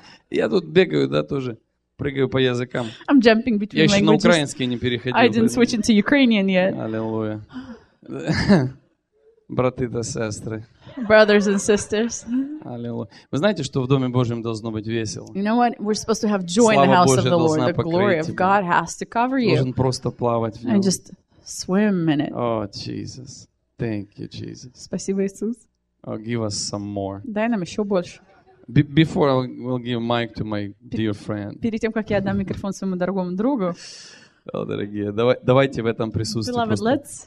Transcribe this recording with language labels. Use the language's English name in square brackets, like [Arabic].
[Russian] Я тут бегаю, да, тоже. Прыгаю по языкам. [English] I'm jumping between languages. [Russian] Я еще на украинский не переходил. [English] I didn't switch into Ukrainian yet. [Russian] Аллилуйя. Браты да сестры. [English] Brothers and sisters. [Russian] Аллилуйя. Вы знаете, что в Доме Божьем должно быть весело? [English] You know what? We're supposed to have joy in the house of the Lord. The glory of God has to cover you. [Russian] Должен просто плавать в нем. [English] And just swim in it. Oh, Jesus. Thank you, Jesus. [Russian] Спасибо, Иисус. [English] Oh, give us some more. [Russian] Дай нам еще больше. [English] Before I will give mic to my dear friend. [Russian] Перед тем, как я отдам микрофон своему дорогому другу. О, дорогие, давайте в этом присутствии просто...